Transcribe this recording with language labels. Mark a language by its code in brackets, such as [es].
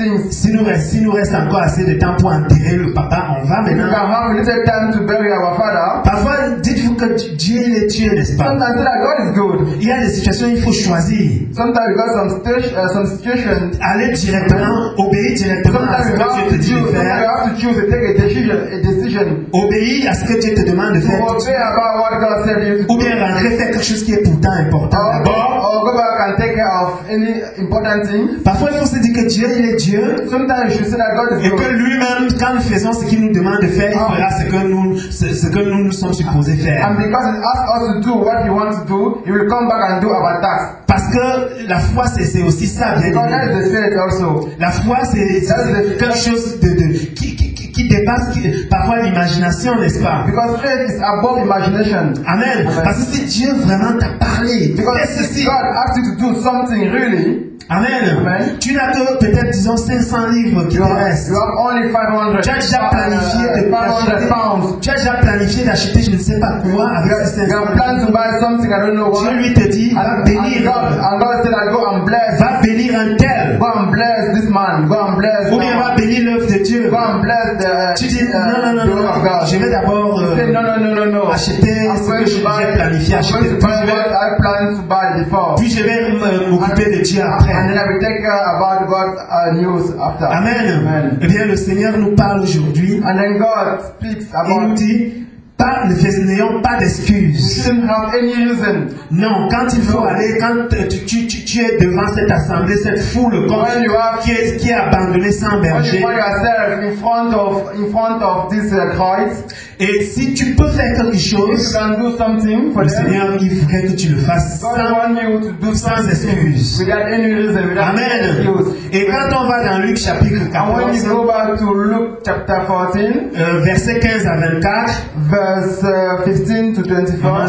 [fr] Si nous reste encore assez de temps pour enterrer le papa, on va maintenant. [en] You can have a little time to bury our father. [fr] Parfois, dites-vous que Dieu est Dieu, n'est-ce pas? [en] Sometimes that God is good. [fr] Il y a des situations où il faut choisir. [en] Sometimes you got some situation. [fr] Aller directement, obéir directement. [en] Sometimes you have to choose. Sometimes you have to choose to take a decision. [fr] Obéir à ce que Dieu te demande de faire. [en] Obey about what God said you [fr] to. Ou bien rentrer faire quelque chose qui est pourtant important. [en] Or go back and take care of any important thing. [fr] Parfois, il faut se dire que Dieu, il est Dieu. [en] Sometimes you say that God is [fr] God. Et que lui-même, quand nous faisons ce qu'il nous demande de faire, il fera ce que nous sommes supposés faire. [en] And because he asks us to do what he wants to do, he will come back and do our task. [fr] Parce que la foi, c'est aussi ça, bien sûr. La foi, c'est quelque chose qui dépasse parfois l'imagination, n'est-ce pas? [en] Because faith is above imagination. [fr] Amen. Okay. Parce que si Dieu vraiment t'a parlé, [en] because [fr] si [en] God asked you to do something really. Amen. Amen. [fr] Tu n'as que peut-être disons 500 livres qui te restent. [en] You have only 500. [fr] Tu as déjà planifié de [en] 500 pounds. [fr] Tu as déjà planifié d'acheter je ne sais pas quoi avec ces 500. [en] You have planned to buy something I don't know what. [fr] Dieu lui te dit, va bénir. [en] And God said, I go and bless. [fr] Va bénir un tel. [en] Go and bless this man. Go and bless. [fr] Ou bien va bénir l'œuvre de Dieu. [en] Go and bless the. [fr] Tu dis non. Je vais d'abord. [en] No. [fr] Acheter ce que j'ai planifié. [en] I planned to buy before. [fr] Puis je vais m'occuper de Dieu après. [en] And then I will take care about God's news after. Amen. Amen. [fr] Eh bien, le Seigneur nous parle aujourd'hui. [en] And then God speaks about. [fr] Il nous dit, n'ayons pas d'excuses. [en] We shouldn't have any reason. [fr] Non, quand il faut aller, quand tu es devant cette assemblée, cette foule, qui est abandonnée sans berger. [en] When you find yourself in front of this Christ. [fr] Et si tu peux faire quelque chose, [en] you can do something for [fr] le Seigneur, [en] them, [fr] il faudrait que tu le fasses sans excuse. [en] Without any reason, without Amen. Any excuse. [fr] Et quand on va dans Luc chapitre 14, [en] when you go back to Luke chapter 14, [fr] verset 15 à 24, [en] verse 15 to 24,